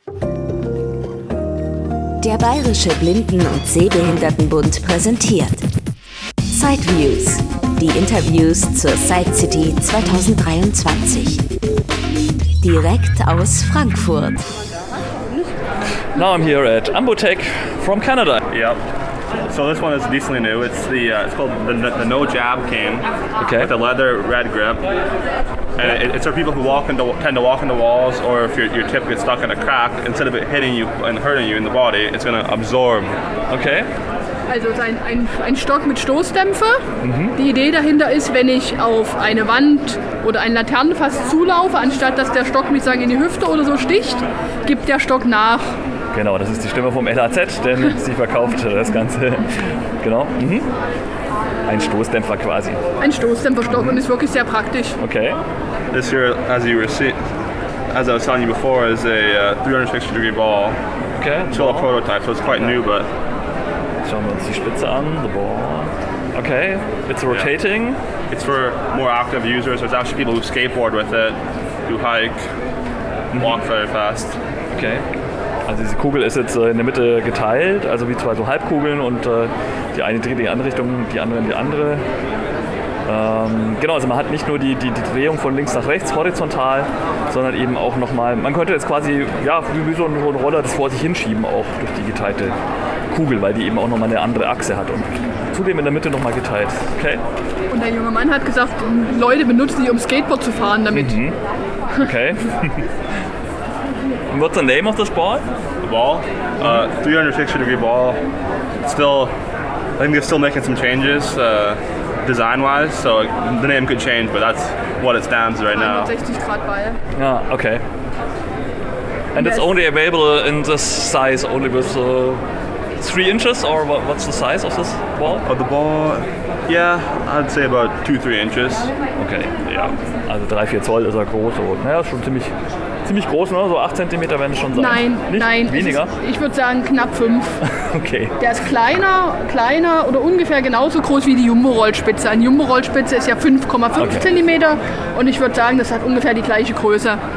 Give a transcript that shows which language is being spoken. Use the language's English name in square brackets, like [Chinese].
[German] Der Bayerische Blinden- und Sehbehindertenbund präsentiert Sideviews, die Interviews zur Side City 2023. Direkt aus Frankfurt. [English] Now I'm here at Ambotech from Canada. Yep. So this one is decently new. It's the it's called the No Jab Cane. Okay. With a leather red grip. And it's for people who tend to walk into walls, or if your tip gets stuck in a crack, instead of it hitting you and hurting you in the body, it's going to absorb. Okay. [German] Also es ist ein Stock mit Stoßdämpfer. Die Idee dahinter ist, wenn ich auf eine Wand oder ein Laternenfass zulaufe, anstatt dass der Stock mich sagen in die Hüfte oder so sticht, gibt der Stock nach. Genau, das ist die Stimme vom LAZ, denn sie verkauft das Ganze. Genau. Ein Stoßdämpfer quasi. Ein Stoßdämpferstock und ist wirklich sehr praktisch. Okay. [English] This here, as I was telling you before, is a 360-degree ball. Okay. Still a prototype, so it's quite new, but. [German] Schauen wir uns die Spitze an, [English] the ball. Okay, it's rotating. Yeah. It's for more active users. There's actually people who skateboard with it, who hike, walk very fast. Okay. [German] Also diese Kugel ist jetzt in der Mitte geteilt, also wie zwei so Halbkugeln und die eine dreht in die eine Richtung, die andere in die andere. Genau, also man hat nicht nur die Drehung von links nach rechts horizontal, sondern eben auch nochmal, man könnte jetzt quasi, ja, wie so ein Roller das vor sich hinschieben auch durch die geteilte Kugel, weil die eben auch nochmal eine andere Achse hat und zudem in der Mitte nochmal geteilt. Okay. Und der junge Mann hat gesagt, Leute benutzen die, um Skateboard zu fahren damit. Mhm. Okay. [English] And what's the name of this ball? The ball? 360-degree ball. Still, I think they're still making some changes design-wise, so the name could change, but that's what it stands right now. [German] 360-Grad Ball. Ah, okay. [English] And yes. It's only available in this size, only with 3 inches, or what's the size of this ball? Of the ball, yeah, I'd say about 2-3 inches. Okay. Yeah. [German] Also 3-4 Zoll ist er groß, so. Naja, schon ziemlich. Ziemlich groß, ne? So 8 cm werden es schon sein. Nein, nicht nein. Weniger? Ich würde sagen knapp 5. Okay. Der ist kleiner oder ungefähr genauso groß wie die Jumbo-Rollspitze. Eine Jumbo-Rollspitze ist ja 5,5 cm und ich würde sagen, das hat ungefähr die gleiche Größe.